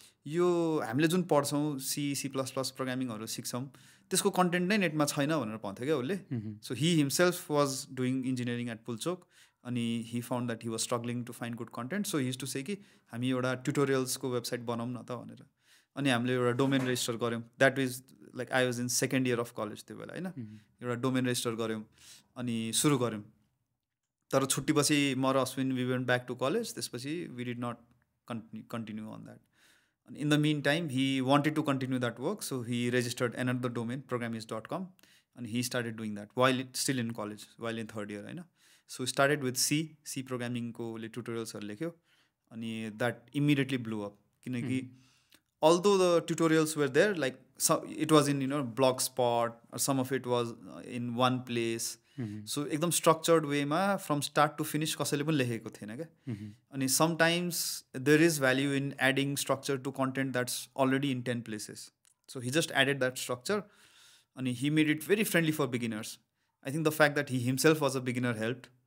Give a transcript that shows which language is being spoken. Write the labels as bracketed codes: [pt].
[ne] यो हामीले जुन पढ्छौँ सी सी प्लस प्लस प्रोग्रामिङहरू सिक्छौँ त्यसको कन्टेन्ट नै नेटमा छैन भनेर भन्थ्यो क्या उसले [en] so he himself was doing engineering at Pulchowk अनि he found that he was struggling to find good content so he is to say कि [ne] हामी एउटा ट्युटोरियल्सको वेबसाइट बनाऊँ न त भनेर अनि हामीले एउटा डोमेन रेजिस्टर गऱ्यौँ. [en] that is like I was in second year of college [ne] त्यो बेला होइन. एउटा डोमेन रेजिस्टर गऱ्यौँ अनि सुरु गऱ्यौँ. तर छुट्टीपछि म र Ashwin [en] We went back to college. त्यसपछि we did not continue on that. अनि in the meantime he wanted to continue that work, so he registered another domain Programiz dot com अनि he started doing that while still in college, while in third year होइन. So started with C, C प्रोग्रामिङको [ne] उसले ट्युटोरियल्सहरू लेख्यो अनि [en] That immediately blew up. किनकि although the tutorials were there like it was in you know Blogspot, some of it was in one place. सो एकदम structured वेमा from start to finish [ne] कसैले पनि लेखेको थिएन क्या. [en] अनि sometimes there is value in adding structure to content that's already in 10 places. So he just added that structure अनि he made it very friendly for beginners. I think the fact that he himself was a beginner helped.